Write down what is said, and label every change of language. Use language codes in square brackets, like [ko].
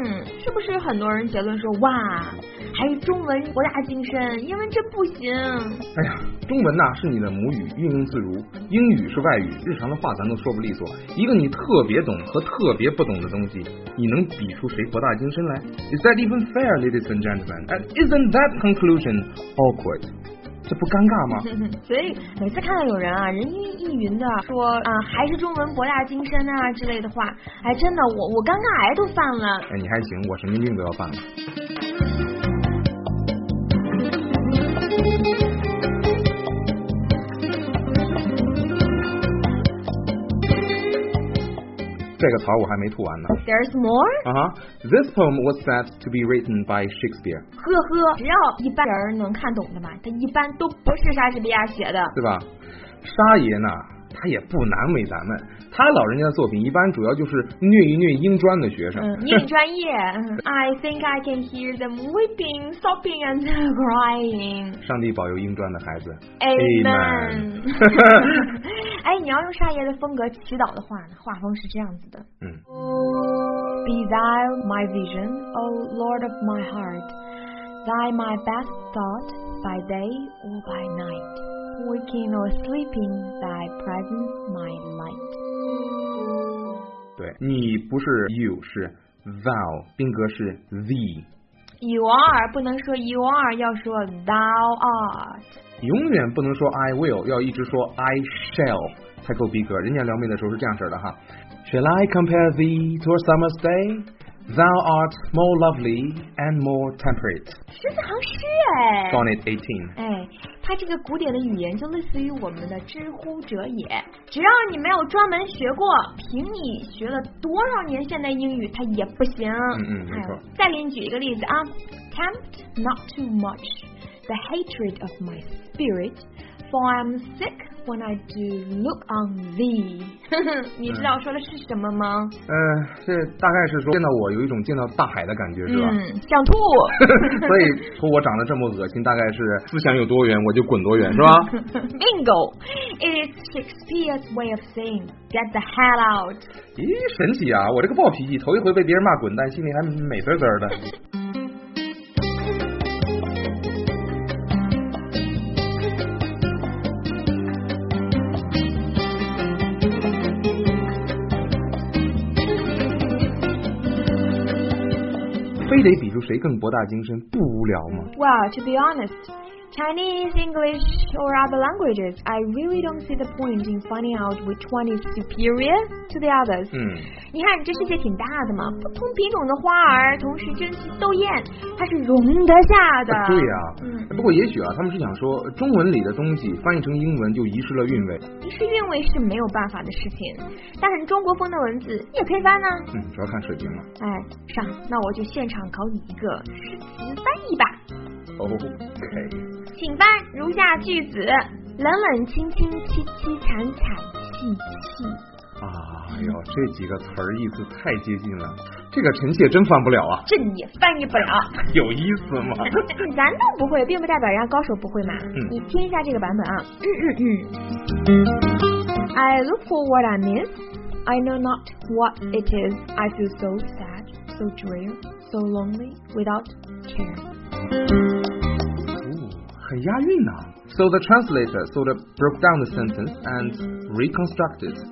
[zh] 嗯，是不是很多人结论说哇，还是中文博大精深，英文真不行？哎呀，中文呐、是你的母语，运用自如。英语是外语，日常的话咱都说不利索。一个你特别懂和特别不懂的东西，你能比出谁博大精深来 ？ [en] Is that even fair, ladies and gentlemen? And isn't that conclusion awkward? [zh] 这不尴尬吗？所以每次看到有人啊，人云亦云的说啊、还是中文博大精深啊之类的话，哎，真的我尴尬癌都犯了。哎，你还行，我神经病都要犯了。这个槽我还没吐完呢。 [en] There's more? This poem was said to be written by Shakespeare. [zh] 呵呵，只要一般人能看懂的嘛，他一般都不是莎士比亚写的，对吧？沙爷呢，他也不难为咱们，他老人家的作品一般主要就是虐一虐英专的学生。虐专业。 [en] I think I can hear them weeping, sobbing and crying. [zh] 上帝保佑英专的孩子。 [en] Amen. [zh] 哎，你要用沙爷的风格祈祷的话，画风是这样子的。 [en] Be thou my vision, O Lord of my heart, thy my best thought, by day or by night, waking or sleeping, thy presence my light. [zh] 对，你不是 you， 是 thou， 宾格是 thee。 [en] You are [zh] 不能说 [en] you are， [zh] 要说 [en] thou art。 [zh] 永远不能说 [en] I will， [zh] 要一直说 [en] I shall。 [zh] 才够逼格，人家撩妹的时候是这样式的哈。 [en] Shall I compare thee to a summer's day? Thou art more lovely and more temperate. [zh] 十四行诗哎。 [en] Sonnet 18。 [zh] 哎，它这个古典的语言就类似于我们的知乎者也。只要你没有专门学过，凭你学了多少年现代英语，它也不行。嗯嗯，没错。哎、再给你举一个例子啊 [en] ，Tempt not too much the hatred of my spirit, for I'm sick. When I do look on thee， [zh] 你知道说的是什么吗？这大概是说见到我有一种见到大海的感觉，是吧？嗯，想吐。所以说我长得这么恶心，大概是思想有多远我就滚多远，是吧？ [en] Bingo， it is Shakespeare's way of saying get the hell out。 [zh] 咦，神奇啊！我这个暴脾气头一回被别人骂滚蛋，心里还美滋滋的。非得比出谁更博大精深，不无聊吗？ [en] Well, to be honest, Chinese, English, or other languages, I really don't see the point in finding out which one is superior to the others. [zh] 嗯，你看这世界挺大的嘛，不同品种的花儿同时争奇斗艳，它是容得下的。啊、对呀、啊，不过也许啊，他们是想说，中文里的东西翻译成英文就遗失了韵味。遗失韵味是没有办法的事情，但是中国风的文字也可以翻呢。嗯，主要看水平了。哎，上，那我就现场考你一个诗词翻译吧。 [en] OK。 [zh] 请翻如下句子：冷冷清清，凄凄惨惨，戚戚。啊哟，这几个词儿意思太接近了。这个臣妾真翻不了啊，这你翻译不了，有意思吗？咱都不会，并不代表人家高手不会嘛。嗯、你听一下这个版本啊。 [en] I look for what I miss, I know not what it is. I feel so sad, so drear, so lonely, without care.、 [zh] 哦、很押韵呐、啊。 [en] So the translator sort of broke down the sentence and reconstructed.